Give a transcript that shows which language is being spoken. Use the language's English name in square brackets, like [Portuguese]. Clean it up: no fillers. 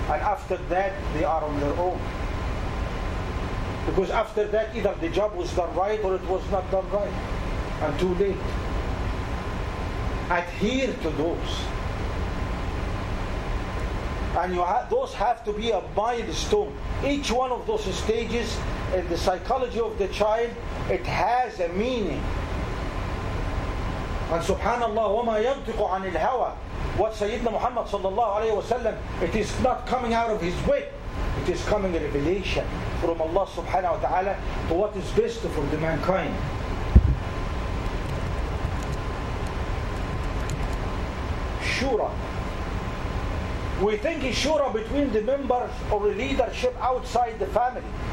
[English] And after that, they are on their own. Because after that, either the job was done right or it was not done right. And too late. Adhere to those. And those have to be a milestone. Each one of those stages in the psychology of the child, it has a meaning. [Arabic] And subhanallah, وَمَا يَنْطِقُ عَنِ الْهَوَىٰ. [English] What Sayyidina Muhammad sallallahu alayhi wa sallam, it is not coming out of his wit. It is coming a revelation from Allah subhanahu wa ta'ala to what is best for the mankind. Shura. We think it's shura between the members or the leadership outside the family.